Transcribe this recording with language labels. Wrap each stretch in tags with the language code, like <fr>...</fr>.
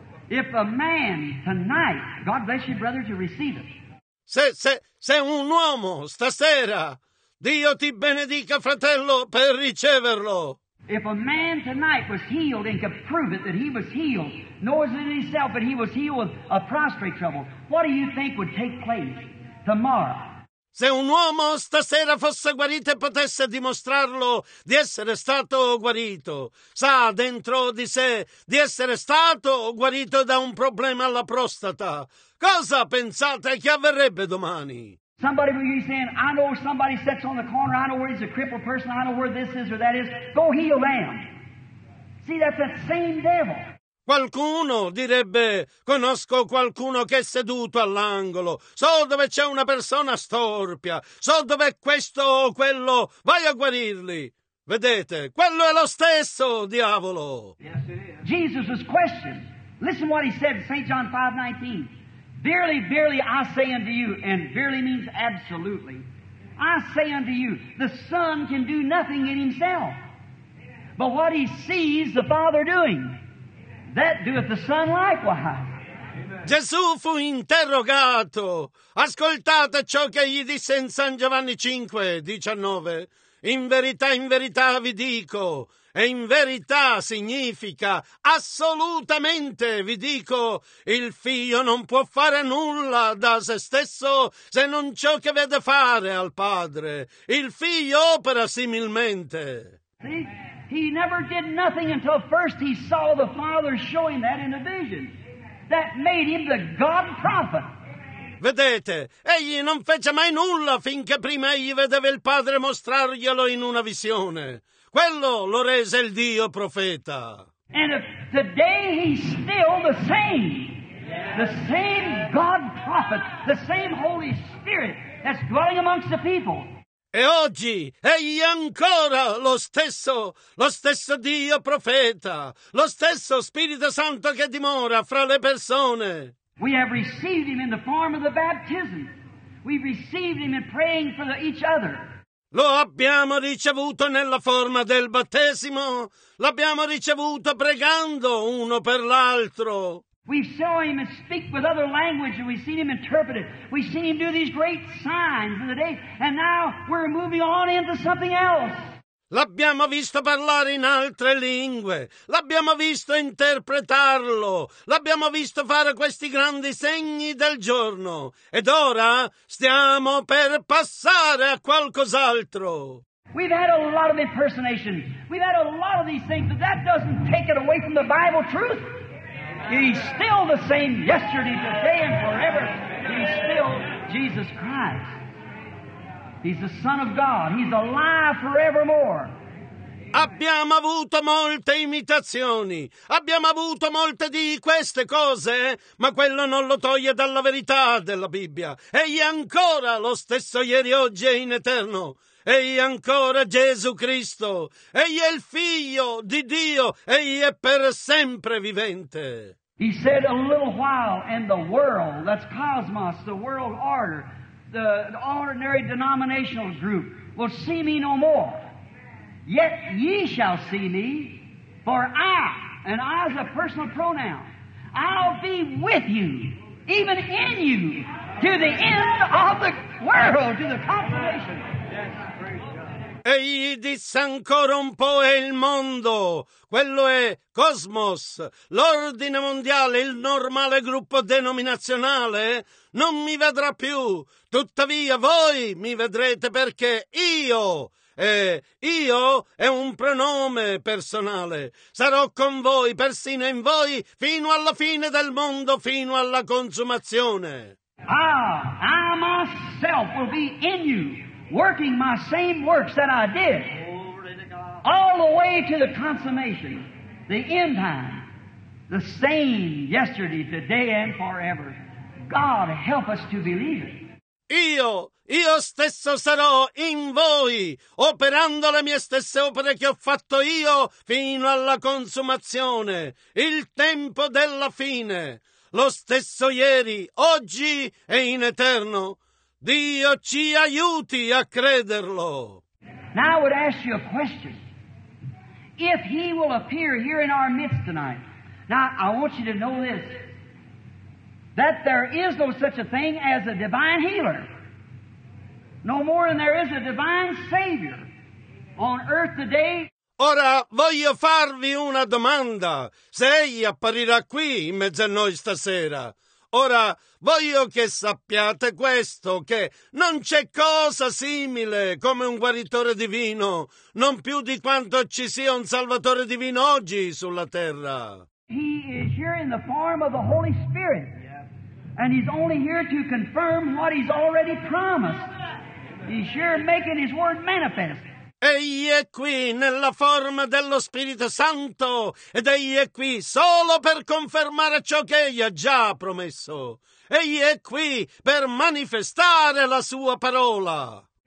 <en>If a man tonight, God bless you, brother, to receive it.</en> <it>Se un uomo stasera, Dio ti benedica, fratello, per riceverlo.</it> <en>If a man tonight was healed and could prove it that he was healed, nor is it in himself, but he was healed with a prostate trouble, what do you think would take place tomorrow?</en> <it>Se un uomo stasera fosse guarito e potesse dimostrarlo di essere stato guarito, sa dentro di sé di essere stato guarito da un problema alla prostata, cosa pensate che avverrebbe domani?</it> <en>Somebody will be saying, "I know somebody sits on the corner, I know where he's a crippled person, I know where this is or that is, go heal them." See, that's that same devil.</en> <it>Qualcuno direbbe, "Conosco qualcuno che è seduto all'angolo, so dove c'è una persona storpia, so dove è questo o quello, vai a guarirli." Vedete, quello è lo stesso diavolo.</it> <en>Yes, it is. Jesus was questioned. Listen what he said in St. John 5:19. Verily, verily, I say unto you, and verily means absolutely, I say unto you, the Son can do nothing in Himself, but what He sees the Father doing, that doeth the Son likewise.</en> <it>Gesù fu interrogato. Ascoltate ciò che gli disse in San Giovanni 5, 19. In verità vi dico, e in verità significa assolutamente vi dico, il Figlio non può fare nulla da se stesso se non ciò che vede fare al Padre. Il Figlio opera similmente.</it> <en>He never did nothing until first he saw the Father showing that in a vision. That made him the God prophet.</en> <it>Vedete, egli non fece mai nulla finché prima egli vedeva il Padre mostrarglielo in una visione. Quello lo rese il Dio profeta.</it> <en>And today he's still the same. The same God prophet, the same Holy Spirit that's dwelling amongst the people.</en> <it>E oggi egli è ancora lo stesso Dio profeta, lo stesso Spirito Santo che dimora fra le persone.</it> <en>We have received him in the form of the baptism. We've received him in praying for each other.</en> <it>Lo abbiamo ricevuto nella forma del battesimo. L'abbiamo ricevuto pregando uno per l'altro.</it> <en>We saw him speak with other languages, and we've seen him interpret it. We've seen him do these great signs in the day, and now we're moving on into something else.</en> <it>L'abbiamo visto parlare in altre lingue, l'abbiamo visto interpretarlo, l'abbiamo visto fare questi grandi segni del giorno, ed ora stiamo per passare a qualcos'altro.</it> <en>We've had a lot of impersonation, we've had a lot of these things, but that doesn't take it away from the Bible truth. He's still the same yesterday, today, and forever. He's still Jesus Christ. He's the Son of God. He's alive forevermore.</en> <it>Abbiamo avuto molte imitazioni. Abbiamo avuto molte di queste cose, ma quello non lo toglie dalla verità della Bibbia. Egli è ancora lo stesso ieri, oggi e in eterno. Egli è ancora Gesù Cristo. Egli è il Figlio di Dio. Egli è per sempre vivente.</it> <en>He said a little while and the world, that's cosmos, the world order, the ordinary denominational group, will see me no more. Yet ye shall see me, for I, and I is a personal pronoun, I'll be with you, even in you, to the end of the world, to the consummation.</en> <it>E gli disse ancora un po', è il mondo, quello è cosmos, l'ordine mondiale, il normale gruppo denominazionale, non mi vedrà più, tuttavia voi mi vedrete perché io è un pronome personale, sarò con voi, persino in voi, fino alla fine del mondo, fino alla consumazione.</it> <en>Ah, I myself will be in you. Working my same works that I did all the way to the consummation, the end time, the same yesterday, today, and forever. God, help us to believe it.</en> <it>Io stesso sarò in voi, operando le mie stesse opere che ho fatto io fino alla consumazione, il tempo della fine, lo stesso ieri, oggi e in eterno. Dio ci aiuti a crederlo.</it> <en>Now I would ask you a question. If he will appear here in our midst tonight. Now I want you to know this. That there is no such a thing as a divine healer. No more than there is a divine savior on earth today.</en> <it>Ora voglio farvi una domanda. Se egli apparirà qui in mezzo a noi stasera. Ora, voglio che sappiate questo, che non c'è cosa simile come un guaritore divino, non più di quanto ci sia un salvatore divino oggi sulla terra.</it> <en>He is here in the form of the Holy Spirit, and he's only here to confirm what he's already promised. He's here making his word manifest.</en> <it>Egli è qui nella forma dello Spirito Santo ed egli è qui solo per confermare ciò che egli ha già promesso. Egli è qui per manifestare la sua parola.</it>